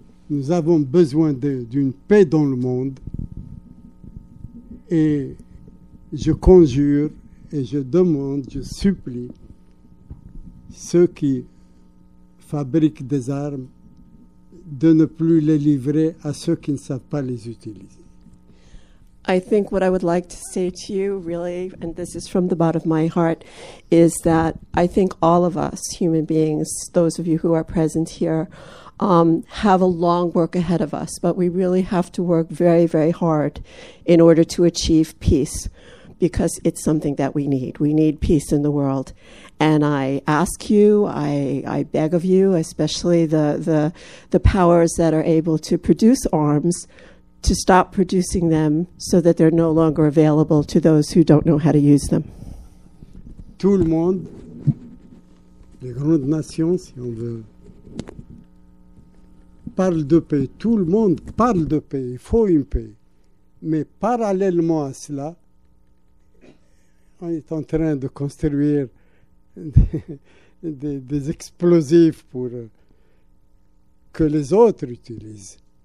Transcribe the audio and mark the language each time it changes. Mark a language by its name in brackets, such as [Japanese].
[French] Nous avons besoin d'une paix dans le monde et je conjure et je demande, je supplie ceux qui fabriquent des armes de ne plus les livrer à ceux qui ne savent pas les utiliser. [English] I think what I would like to say to you, really, and this is from the bottom of my heart, is that I think all of us human beings, those of you who are present here, have a long work ahead of us, but we really have to work very, very hard in order to achieve peace, because it's something that we need. We need peace in the world. And I ask you, I beg of you, especially the powers that are able to produce arms, to stop producing them so that they're no longer available to those who don't know how to use them. [French] Tout le monde, les grandes nations, si on veut, parlent de paix. Tout le monde parle de paix. Il faut une paix. Mais parallèlement à cela, on est en train de construire des explosifs pour que les autres utilisent.